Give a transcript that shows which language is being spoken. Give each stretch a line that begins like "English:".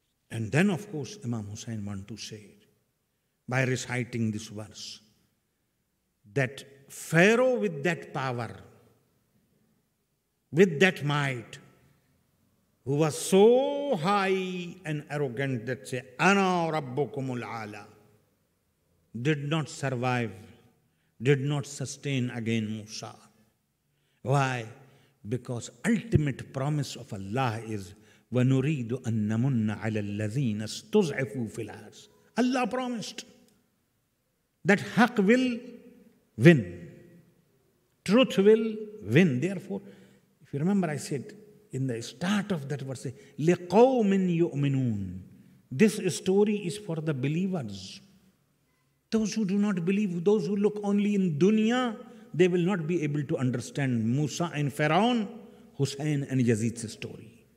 English: And then, of course, Imam Hussein want to say, by reciting this verse, that Pharaoh with that power, with that might, who was so high and arrogant that say,
Arabic: أَنَا رَبُّكُمُ الْعَالَى,
English: did not survive, did not sustain again Musa. Why? Because ultimate promise of Allah is
Arabic: وَنُرِيدُ أَنَّمُنَّ عَلَى الَّذِينَ اسْتُزْعِفُوا فِي الْأَرْضِ.
English: Allah promised that haq will win, truth will win. Therefore, if you remember, I said in the start of that verse,
Arabic: لِقَوْمٍ يُؤْمِنُونَ.
English: This story is for the believers. Those who do not believe, those who look only in dunya, they will not be able to understand Musa and Pharaoh, Hussein and Yazid's story.